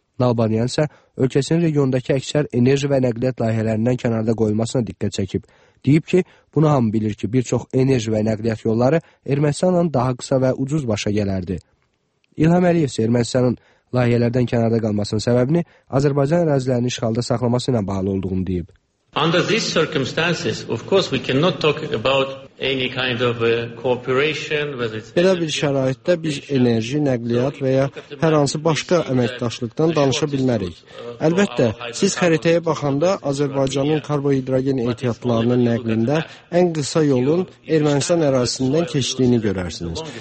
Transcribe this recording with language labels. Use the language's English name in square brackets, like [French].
[Azerbaijani] Nalbandyan isə ölkəsinin regiondakı əksər enerji və nəqliyyat layihələrindən kənarda qoyulmasına diqqət çəkib. Deyib ki, bunu hamı bilir ki, bir çox enerji və nəqliyyat yolları Ermənistanla daha qısa və ucuz başa gələrdi. İlham Əliyev isə Ermənistanın layihələrdən kənarda qalmasının səbəbini Azərbaycan ərazilərini işğalda saxlaması ilə bağlı olduğunu deyib. [English] Under these circumstances, of course, we cannot talk about any kind of cooperation, whether it's [Azerbaijani] belə bir şəraitdə biz enerji, nəqliyyat və ya hər hansı başqa əməkdaşlıqdan danışa bilmərik. Əlbəttə, siz xəritəyə baxanda Azərbaycanın karbohidrogen ehtiyatlarının nəqlində ən qısa yolun Ermənistan ərazisindən keçdiyini görərsiniz.